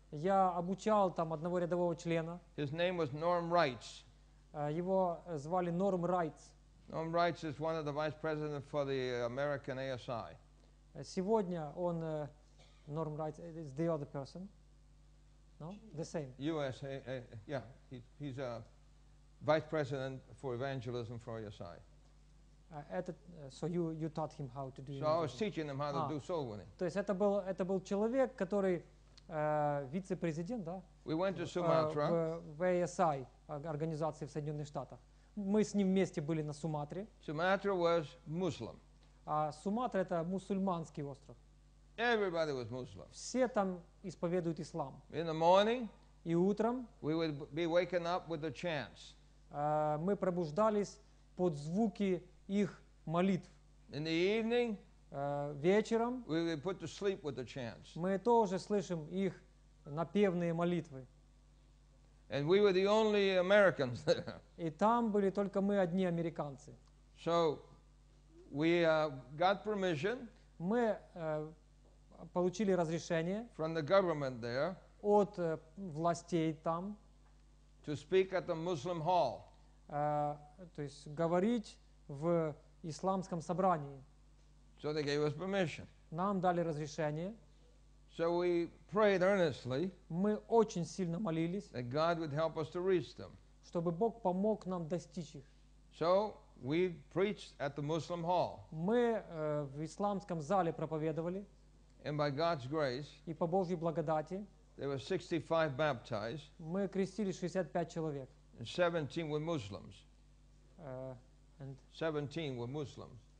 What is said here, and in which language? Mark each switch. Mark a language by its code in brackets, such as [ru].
[ru] Я обучал там одного рядового члена. [en] His name was Norm Wrights. [ru] Его звали Норм Райтс. [en] Norm Wrights is one of the vice president for the American ASI. [ru] Сегодня он Норм Райтс [en] is the other person. No, the same. USA, yeah, he's a vice president for evangelism for ASI. So you taught him how to do evangelism. So I was teaching him how to do soul winning. [ru] То есть это был человек, который вице-президент, да? [en] We went to Sumatra. [ru] В ASI, организации в Соединенных Штатах. Мы с ним вместе были на Суматре. [en] Sumatra was Muslim. [ru] А Суматра — это мусульманский остров. [en] Everybody was Muslim. [ru] Все там исповедуют ислам. [en] In the morning. [ru] И утром. [en] We would be waking up with the chants. [ru] Мы пробуждались под звуки их молитв. [en] In the evening, [ru] вечером [en] we were put to sleep with the chants. [ru] Мы тоже слышим их напевные молитвы. [en] And we were the only Americans there. [ru] И там были только мы одни американцы. [en] So we got permission. [ru] Мы получили разрешение [en] from the government there [ru] от властей там [en] to speak at the Muslim hall. [ru] То есть говорить в исламском собрании. [en] So they gave us permission. [ru] Нам дали разрешение. [en] So we prayed earnestly. [ru] Мы очень сильно молились. [en] That God would help us to reach them. [ru] Чтобы Бог помог нам достичь их. [en] So we preached at the Muslim hall. [ru] Мы в исламском зале проповедовали. [en] And by God's grace. [ru] И по Божьей благодати. [en] There were 65 baptized. [ru] Мы крестили 65 человек. [en] And 17 were Muslims. And 17 were Muslims.